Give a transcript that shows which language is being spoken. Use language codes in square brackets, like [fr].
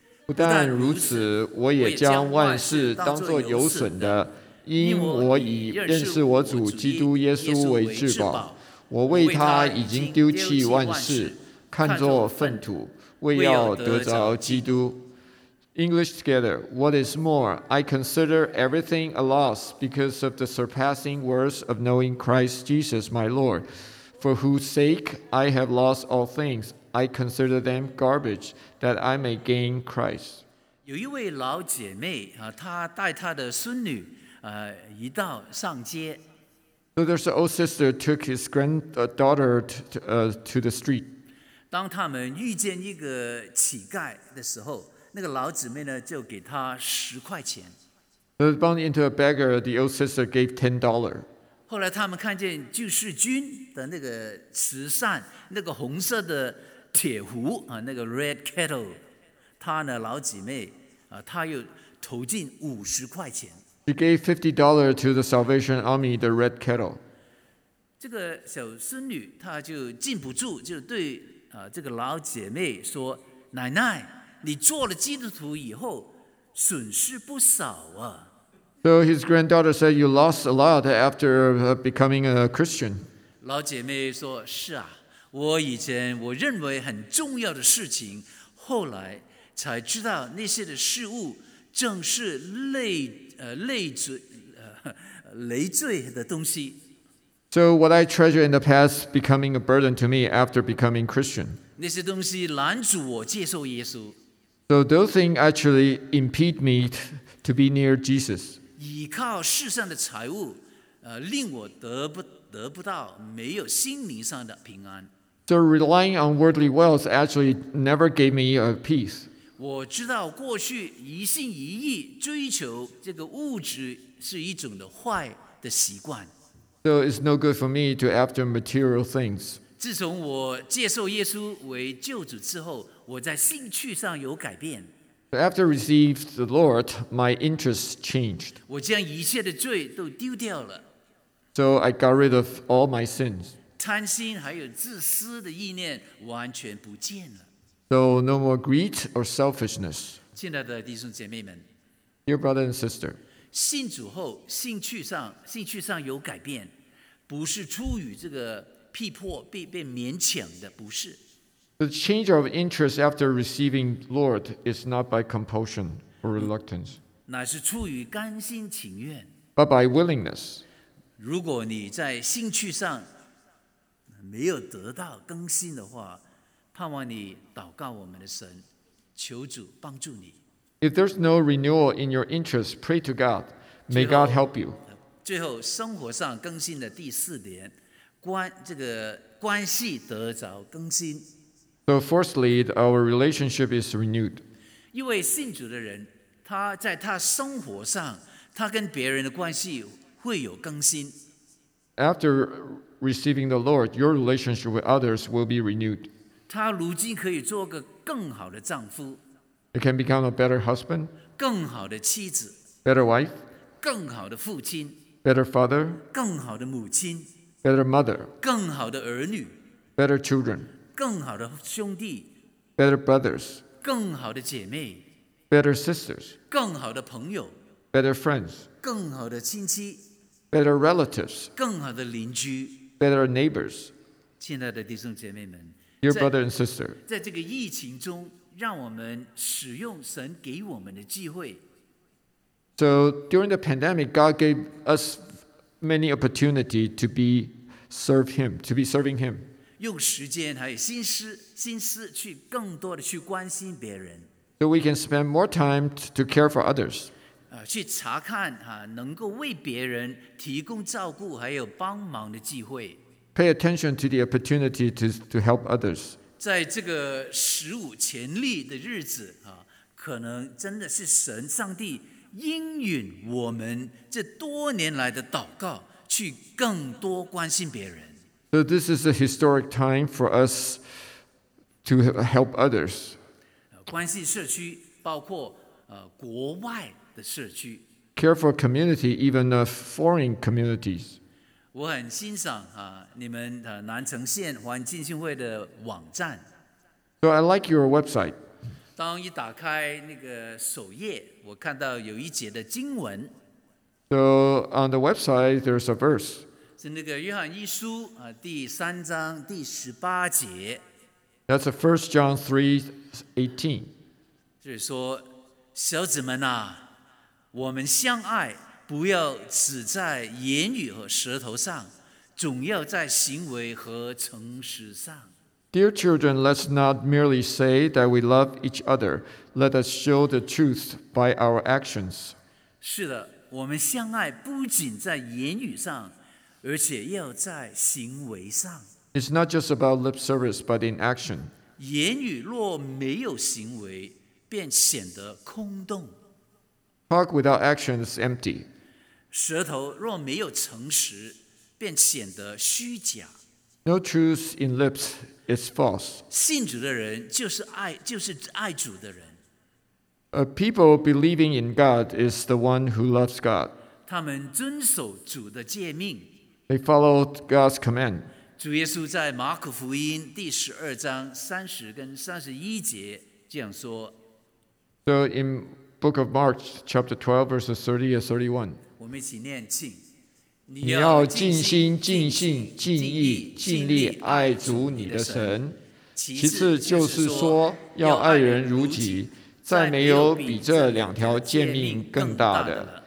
[zh] 不但如此，我也将万事当作有损的，因我已认识我主基督耶稣为至宝。我为他已经丢弃万事，看作粪土，为要得着基督。 [en] English together, what is more, I consider everything a loss because of the surpassing worth of knowing Christ Jesus my Lord, for whose sake I have lost all things. I consider them garbage, that I may gain Christ. [zh] 有一位老姐妹，她带她的孙女，一道上街。 [en] So there's an old sister took his granddaughter to the street. [zh] 当他们遇见一个乞丐的时候，那个老姊妹呢，就给他十块钱。 [en] The bound into a beggar, the old sister gave $10. [zh] 后来他们看见救世军的那个慈善，那个红色的铁壶啊，那个 red kettle， 他呢老姊妹啊，他又投进五十块钱。 [en] She gave $50 to the Salvation Army, the red kettle. [zh] 这个小孙女她就禁不住，就对这个老姐妹说：“奶奶。” 你做了基督徒以后，损失不少啊。 [en] So his granddaughter said, "You lost a lot after becoming a Christian." [zh] 老姐妹说：“是啊，我以前我认为很重要的事情，后来才知道那些的事物正是累赘的东西。” [en] So what I treasure in the past becoming a burden to me after becoming Christian. [zh] 那些东西拦阻我接受耶稣。 [en] So those things actually impede me to be near Jesus. [zh] 依靠世上的财物，令我得不到没有心灵上的平安。 [en] So relying on worldly wealth actually never gave me a peace. [zh] 我知道过去一心一意追求这个物质是一种的坏的习惯。 [en] So it's no good for me to after material things. [zh] 自从我接受耶稣为救主之后，我在兴趣上有改变。 [en] After received the Lord, my interest changed. [zh] 我将一切的罪都丢掉了。 [en] So I got rid of all my sins. [zh] 贪心还有自私的意念完全不见了。 [en] So no more greed or selfishness. [zh] 亲爱的弟兄姐妹们 [en] ，Dear brother and sister， [zh] 信主后兴趣上有改变，不是出于这个逼迫被勉强的，不是。 [en] The change of interest after receiving Lord is not by compulsion or reluctance, [zh] 乃是出于甘心情愿 [en] but by willingness. [zh] 如果你在兴趣上没有得到更新的话，盼望你祷告我们的神，求主帮助你。 [en] If there's no renewal in your interest, pray to God. May God help you. [zh] 最后，生活上更新的第四点，关系得着更新。 [en] So firstly, our relationship is renewed. [zh] 一位信主的人，他在他生活上，他跟别人的关系会有更新。 [en] After receiving the Lord, your relationship with others will be renewed. [zh] 他如今可以做个更好的丈夫。 [en] He can become a better husband. [zh] 更好的妻子。 [en] Better wife. [zh] 更好的父亲。 [en] Better father. [zh] 更好的母亲。 [en] Better mother. [zh] 更好的儿女。 [en] Better children. [zh] 更好的兄弟 [en] ，better brothers； [zh] 更好的姐妹 [en] ，better sisters； [zh] 更好的朋友 [en] ，better friends； [zh] 更好的亲戚 [en] ，better relatives； [zh] 更好的邻居 [en] ，better neighbors。 [zh] 亲爱的弟兄姐妹们， [en] your brother and sister. [zh] 在这个疫情中，让我们使用神给我们的机会。 [en] So during the pandemic, God gave us many opportunity to be serve Him, to be serving Him. [zh] 用时间还有心思去更多的去关心别人。 [en] So we can spend more time to care for others. [zh] 去查看能够为别人提供照顾还有帮忙的机会。 [en] Pay attention to the opportunity to help others. [zh] 在这个史无前例的日子可能真的是神上帝应允我们这多年来的祷告去更多关心别人。 [en] So this is a historic time for us to help others. [zh] 关心社区包括国外的社区。 [en] Care for community, even the foreign communities. [zh] 我很欣赏你们南城县环境信会的网站。 [en] So I like your website. [zh] 当一打开那个首页，我看到有一节的经文。 [en] So on the website, there's a verse. [zh] 是那个约翰一书第三章第十八节。 [en] That's a 1 John 3:18. [zh] 就是说，小子们啊，我们相爱，不要只在言语和舌头上，总要在行为和诚实上。 [en] Dear children, let's not merely say that we love each other. Let us show the truth by our actions. [zh] 是的，我们相爱不仅在言语上，而且要在行为上。 [en] It's not just about lip service, but in action. [zh] 言语若没有行为，便显得空洞。 [en] Talk without action is empty. [zh] 舌头若没有诚实，便显得虚假。 [en] No truth in lips is false. [zh] 信主的人就是爱主的人。 [en] A people believing in God is the one who loves God. [zh] 他们遵守主的诫命。 [en] They follow God's command. [zh] 主耶稣在马可福音第十二章三十跟三十一节这样说。 [en] So in Book of Mark, chapter 12, verses 30 and 31. [zh] 我们一起念，请。你要尽心尽性尽意尽力爱主你的神，其次就是说要爱人如己，再没有比这两条诫命更大的。